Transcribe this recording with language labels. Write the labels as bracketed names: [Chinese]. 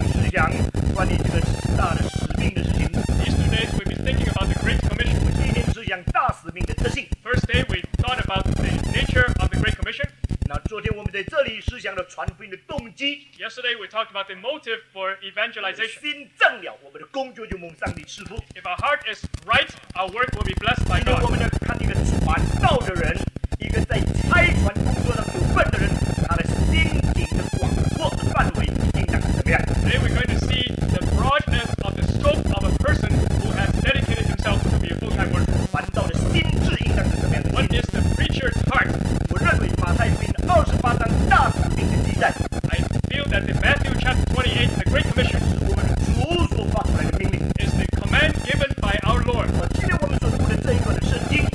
[Chinese] 讲关于这个大的使命的事情。 [English] These two days we've been thinking about the Great Commission. [Chinese] 第一天是讲大使命的特性。 [English] First day we thought about the nature of the Great Commission. [Chinese] 那昨天我们在这里是讲了传福音的动机。 [English] Yesterday we talked about the motive for evangelization. [Chinese] 心正了，我们的工作就蒙上帝赐福。 [English] If our heart is right, our work will be blessed by God. [Chinese] 今天我们要看一个传道的人，一个在差传工作上有份的人，他的心灵的广阔的范围应当怎么样？ [English] Today we're going to see the broadness of the scope of a person who has dedicated himself to be a full-time worker. [Chinese] 传道的心智应当是怎么样的？ [English] What is the preacher's heart? [Chinese] 我认为马太福音二十八章大使命的记载。 [English] I feel that the Matthew chapter 28, the Great Commission, [Chinese] 是我们主所发出来的命令。 [English] Is the command given by our Lord. [Chinese] 今天我们所读的这一段的圣经。